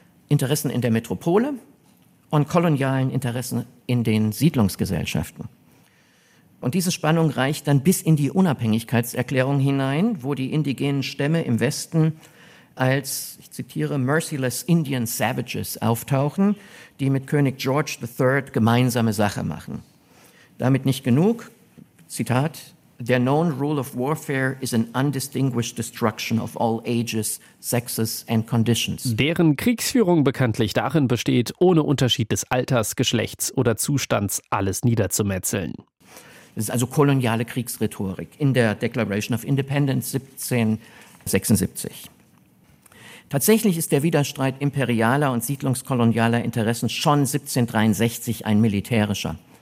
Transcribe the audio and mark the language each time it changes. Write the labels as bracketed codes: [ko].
[de] Interessen in der Metropole und kolonialen Interessen in den Siedlungsgesellschaften. Und diese Spannung reicht dann bis in die Unabhängigkeitserklärung hinein, wo die indigenen Stämme im Westen als, ich zitiere, [en] merciless Indian Savages [de] auftauchen, die mit König George III gemeinsame Sache machen. [en] Damit nicht genug, Zitat, "The known rule of warfare is an undistinguished destruction of all ages, sexes and conditions." [de] Deren Kriegsführung bekanntlich darin besteht, ohne Unterschied des Alters, Geschlechts oder Zustands alles niederzumetzeln. Das ist also koloniale Kriegsrhetorik in der Declaration of Independence 1776. Tatsächlich ist der Widerstreit imperialer und siedlungskolonialer Interessen schon 1763 ein militärischer.